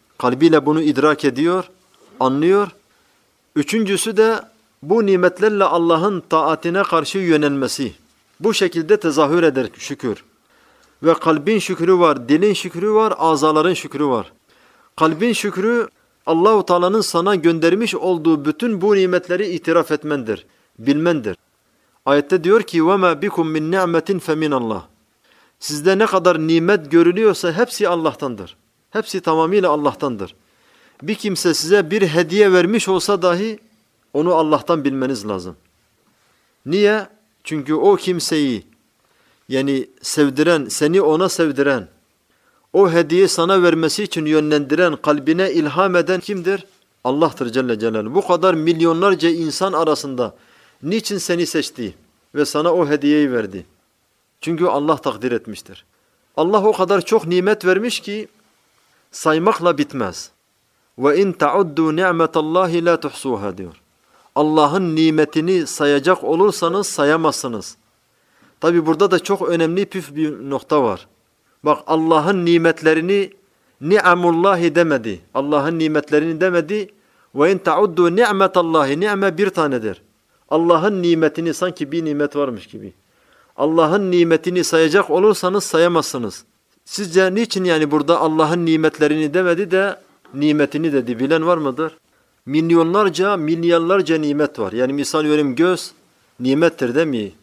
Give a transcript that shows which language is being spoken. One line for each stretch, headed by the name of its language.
Turkish: Kalbiyle bunu idrak ediyor, anlıyor. Üçüncüsü de bu nimetlerle Allah'ın taatine karşı yönelmesi. Bu şekilde tezahür eder şükür. Ve kalbin şükrü var, dilin şükrü var, azaların şükrü var. Kalbin şükrü Allah-u Teala'nın sana göndermiş olduğu bütün bu nimetleri itiraf etmendir, bilmendir. Ayette diyor ki
Arabic: وَمَا بِكُمْ مِنْ نِعْمَةٍ فَمِنَ اللّٰهِ.
Turkish: Sizde ne kadar nimet görülüyorsa hepsi Allah'tandır. Hepsi tamamıyla Allah'tandır. Bir kimse size bir hediye vermiş olsa dahi onu Allah'tan bilmeniz lazım. Niye? Çünkü o kimseyi yani sevdiren, seni ona sevdiren, o hediye sana vermesi için yönlendiren, kalbine ilham eden kimdir? Allah'tır Celle Celaluhu. Bu kadar milyonlarca insan arasında niçin seni seçti ve sana o hediyeyi verdi? Çünkü Allah takdir etmiştir. Allah o kadar çok nimet vermiş ki saymakla bitmez.
Arabic: وَاِنْ تَعُدُّوا نِعْمَةَ اللّٰهِ لَا تُحْصُوهَا diyor.
Turkish: Allah'ın nimetini sayacak olursanız sayamazsınız. Tabi burada da çok önemli püf bir nokta var. Bak, Allah'ın nimetlerini ni'amullahi demedi. Allah'ın nimetlerini demedi.
Arabic: وَاِنْ تَعُدُّوا نِعْمَةَ اللّٰهِ
Turkish: ni'me bir tanedir. Allah'ın nimetini sanki bir nimet varmış gibi. Allah'ın nimetini sayacak olursanız sayamazsınız. Sizce niçin yani burada Allah'ın nimetlerini demedi de nimetini dedi, bilen var mıdır? Milyonlarca, milyarlarca nimet var. Yani misal vereyim, göz nimettir değil mi?